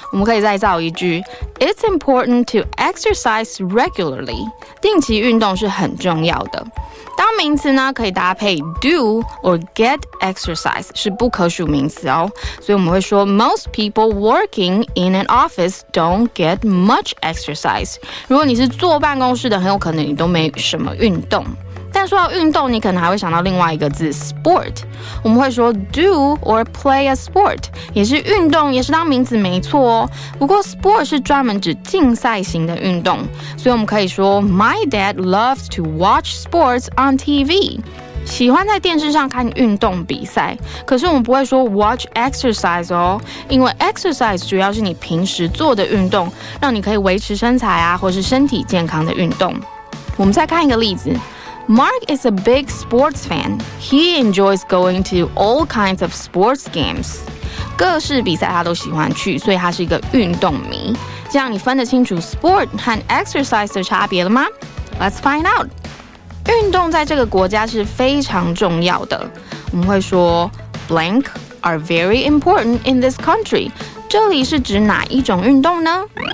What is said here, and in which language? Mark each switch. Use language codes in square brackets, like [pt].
[en] 我们可以再造一句 ：It's important to exercise regularly. [zh] 定期运动是很重要的。当名词呢，可以搭配 do or get exercise，是不可数名词哦。 [en] 所以我们会说，most people working in an office don't get much exercise。 [zh] 如果你是坐办公室的，很有可能你都没什么运动。但说到运动，你可能还会想到另外一个字 sport。我们会说 do or play a sport，也是运动，也是当名词没错哦。不过 sport 是专门指竞赛型的运动，所以我们可以说 My dad loves to watch sports on TV，喜欢在电视上看运动比赛。可是我们不会说 watch exercise 哦，因为 exercise 主要是你平时做的运动，让你可以维持身材啊，或是身体健康的运动。我们再看一个例子。 [en] Mark is a big sports fan. He enjoys going to all kinds of sports games. [zh] 各式比赛他都喜欢去，所以他是一个运动迷。这样你分得清楚 sport 和 exercise 的差别了吗？ Let's find out. 运动在这个国家是非常重要的。我们会说 blank are very important in this country. 这里是指哪一种运动呢？